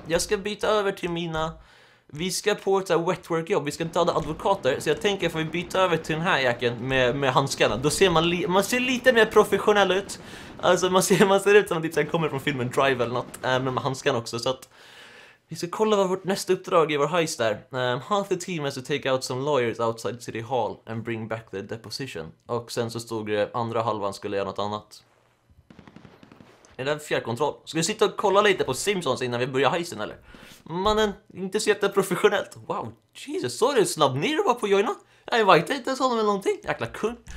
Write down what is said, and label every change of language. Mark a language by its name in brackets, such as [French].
[Swedish] Jag ska byta över till mina, vi ska på ett så här wet work jobb. Vi ska döda advokater. Så jag tänker att vi byter över till den här jäkeln med handskarna. Då ser man ser lite mer professionell ut. Alltså man ser ut som att man kommer från filmen Drive eller något. Med handskan också. Så att vi ska kolla vad vårt nästa uppdrag är, vår heist där. [English] Half the team has to take out some lawyers outside city hall and bring back their deposition. [Swedish] Och sen så stod det andra halvan skulle göra något annat. Är det en fjärrkontroll? Ska vi sitta och kolla lite på Simpsons innan vi börjar heisten eller? Mannen, inte så jätteprofessionellt. Wow, Jesus, så är det snabb ner och bara på joina. Jag vet inte ens honom eller någonting. Jäkla kung.